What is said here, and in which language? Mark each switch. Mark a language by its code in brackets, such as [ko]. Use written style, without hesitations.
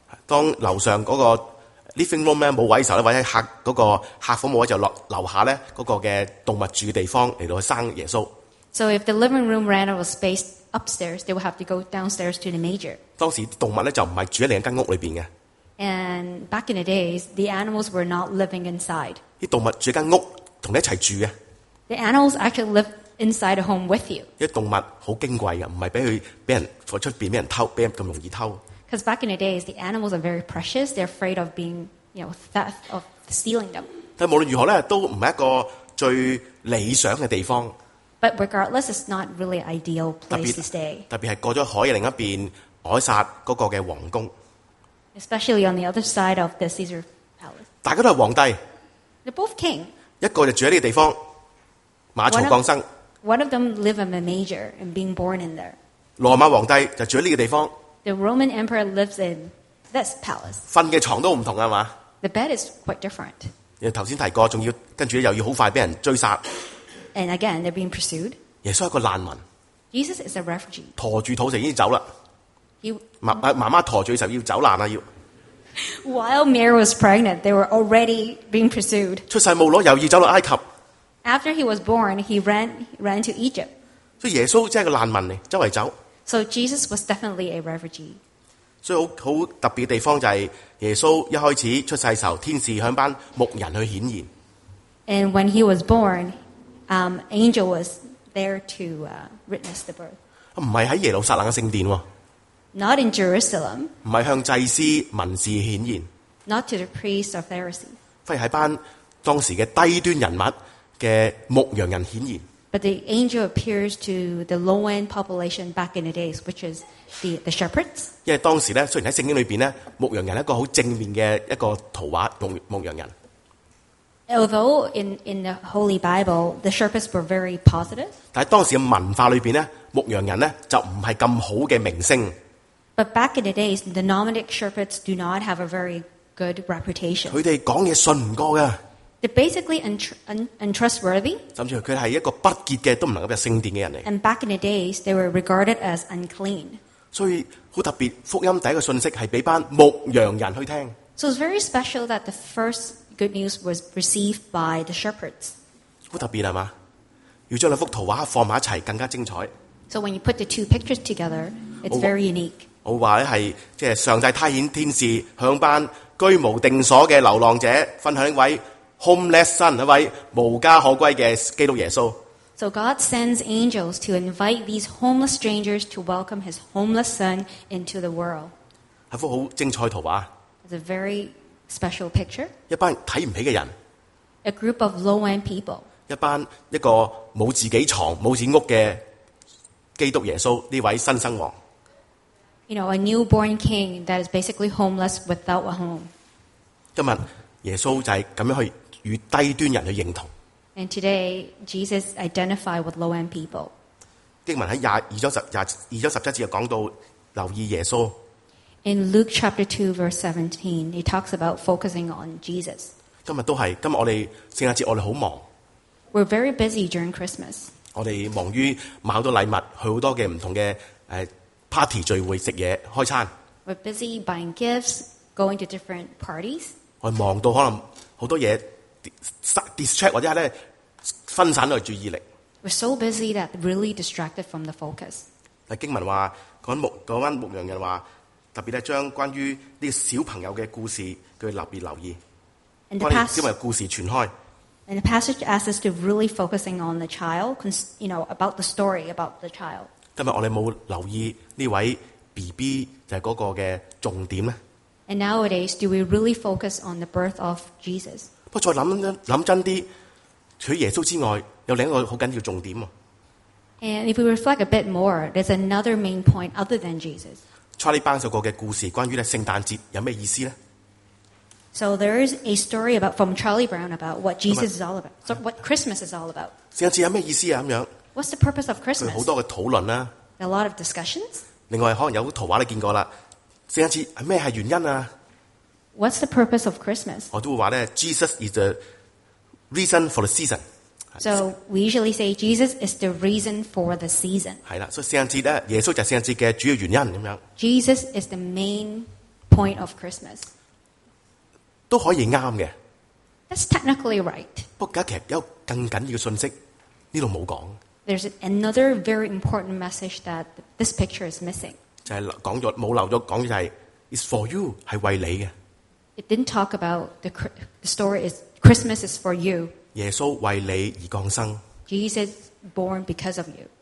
[yue] 当楼上嗰个 living room 咧冇位时候咧，或者客嗰个客房冇位就落楼下咧嗰个嘅动物住嘅地方嚟到生耶稣。 [en] So if the living room ran out of space upstairs, they would have to go downstairs to the manger. [yue] 当时动物咧就唔系住喺另一间屋里边嘅。 [en] And back in the days, the animals were not living inside. [yue] 啲动物住间屋同你一齐住嘅。 [en] The animals actually live. Inside a home with you. [yue] 因为动物好矜贵嘅，唔系俾佢俾人放出边俾人偷，俾人咁容易偷。 [en] Because back in the days, the animals are very precious. They're afraid of being, you know, theft of stealing them. [yue] 但無論如何咧，都唔係一個最理想嘅地方。 [en] But regardless, it's not really ideal place to stay. [yue] 特別係過咗海嘅另一邊，凱撒嗰個嘅王宮。 [en] Especially on the other side of the Caesar Palace. [yue] 大家都係皇帝。 [en] They're both king. [yue] 一個就住喺呢個地方，馬槽降生。 [en] One of them live in a manger and being born in there. [yue] 羅馬皇帝就住喺呢個地方。 [en] The Roman emperor lives in this palace. [yue] 瞓嘅牀都唔同啊嘛。 [en] The bed is quite different. [yue] 你头先提过，仲要跟住又要好快俾人追杀。 [en] And again, they're being pursued. [yue] 耶稣系个难民。 [en] Jesus is a refugee. [yue] 驮住肚子已经走啦。妈妈驮住嘅时候要走难啦，要。 [en] While Mary was pregnant, they were already being pursued. [yue] 出世冇耐又要走落埃及。 [en] After he was born, he ran to Egypt. [yue] 所以耶稣真系个难民嚟，周围走。 [en] So Jesus was definitely a refugee. [yue] 所以好特別的地方就係耶穌一開始出世時候，天使向班牧人去顯現。 [en] And when he was born, angel was there to witness the birth. [yue] 唔係喺耶路撒冷嘅聖殿喎。 [en] Not in Jerusalem. [yue] 唔係向祭司文士顯現。 [en] Not to the priests or Pharisees. [yue] 反而喺班當時嘅低端人物嘅牧羊人顯現。 [en] But the angel appears to the low-end population back in the days, which is the shepherds. [yue] 因为当时咧，虽然喺圣经里边咧，牧羊人一个好正面嘅一个图画，牧羊人。 [en] Although in the Holy Bible, the shepherds were very positive. [yue] 但系当时嘅文化里边咧，牧羊人咧就唔系咁好嘅名声。 [en] But back in the days, the nomadic shepherds do not have a very good reputation. [yue] 佢哋讲嘢信唔过噶。 [en] They're basically untrustworthy. [yue] 甚至佢系一个不洁嘅，都唔能够入圣殿嘅人嚟。 [en] And back in the days, they were regarded as unclean. [yue] 所以好特别，福音第一个信息系俾班牧羊人去听。 [en] So it's very special that the first good news was received by the shepherds. [yue] 好特别系嘛？要将两幅图画放埋一齐，更加精彩。 [en] So when you put the two pictures together, it's very unique. [yue] 我话咧系即系上帝差遣天使向班居无定所嘅流浪者分享一位。 [en] Homeless son, [yue] 一位无家可归嘅基督耶稣。 [en] So God sends angels to invite these homeless strangers to welcome His homeless son into the world. [yue] 系幅好精彩图画。 [en] It's a very special picture. [yue] 一班睇唔起嘅人。 [en] A group of low-end people. [yue] 一个冇自己床、冇自己屋嘅基督耶稣呢位新生王。 [en] You know, a newborn king that is basically homeless without a home. [yue] 今日。耶稣就系咁样去与低端人去认同。 [en] And today Jesus identified with low-end people. [yue] 经文喺22章17节又讲到留意耶稣。 [en] In Luke chapter 2 verse 17, it talks about focusing on Jesus. [yue] 今日都系，今日我哋圣诞节我哋好忙。 [en] We're very busy during Christmas. [yue] 我哋忙于买好多礼物，去好多嘅唔同嘅party 聚会食嘢开餐。 [en] We're busy buying gifts, going to different parties. [yue] 我忙到可能好多嘢 distract 或者系咧分散咗注意力。 [en] We're so busy that really distracted from the focus。 [yue] 嗱，经文话嗰班牧羊人话，特别咧将关于呢个小朋友嘅故事，佢特别留意。 [en] And the passage, [yue] 因为故事传开。 [en] And the passage asks us to really focusing on the child, you know, about the story about the child。 [yue] 今日我哋冇留意呢位 BB 就系嗰个嘅重点咧。 [en] And nowadays, do we really focus on the birth of Jesus? [yue] 不過再諗真啲，除耶穌之外，有另一個好緊要重點喎。 [en] And if we reflect a bit more, there's another main point other than Jesus. [yue] Charlie Bang 有個嘅故事，關於咧聖誕節有咩意思咧 [en] ？So there is a story about from Charlie Brown about what Jesus is all about. So what Christmas is all about? [yue] 聖誕節有咩意思啊？咁樣 [en] ？What's the purpose of Christmas? [yue] 佢好多嘅討論啦。 [en] A lot of discussions. [yue] 另外，可能有圖畫你見過啦。圣诞节咩系原因啊 [en] ？What's the purpose of Christmas？ [yue] 我都会话咧 [en] ，Jesus is the reason for the season。 So we usually say Jesus is the reason for the season。 [yue] 系啦，所以圣诞节咧，耶稣就系圣诞节嘅主要原因咁样。 [en] Jesus is the main point of Christmas。 [yue] 都可以啱嘅。 [en] That's technically right。 [yue] 不过其实有更紧要嘅信息呢度冇讲。 [en] There's another very important message that this picture is missing。 [yue] 就系讲咗冇留咗讲就系 [en] is for you [yue] 系为你嘅。 [en] It didn't talk about the story is Christmas is for you。 [yue] 耶稣为你而降生。 [en] Jesus born because of you。